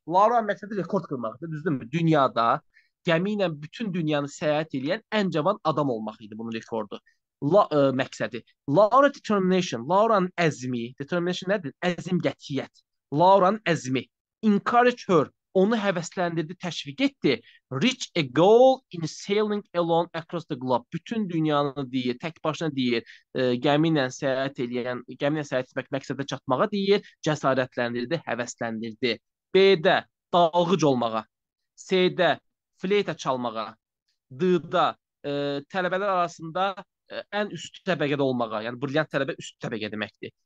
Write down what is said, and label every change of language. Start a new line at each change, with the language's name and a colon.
Azerbaijani: Laura'nın məqsədi rekord qırmaqdır, düzdür mü? Dünyada gəmi ilə bütün dünyanı səyahət edən ən cavan adam olmaq idi bunun rekordu. Məqsədi. Laura determination. Laura'nın əzmi. Determination nədir? Əzim, qətiyyət. Laura'nın əzmi.
English: Encourage her.
Azerbaijani: Onu həvəsləndirdi, təşviq etdi.
English: Reach a goal in sailing alone across the globe.
Azerbaijani: Bütün dünyanı deyir, tək başına deyir, gəmi ilə səyahət edən, gəmi ilə səyahət etmək məqsədə çatmağa deyir, cəsarətləndirdi, həvəsləndirdi. B-də dalğıc olmağa, S-də fleyta çalmağa, D-də tələbələr arasında ən üst təbəqədə olmağa, yəni brilliant tələbə üst təbəqə deməkdir.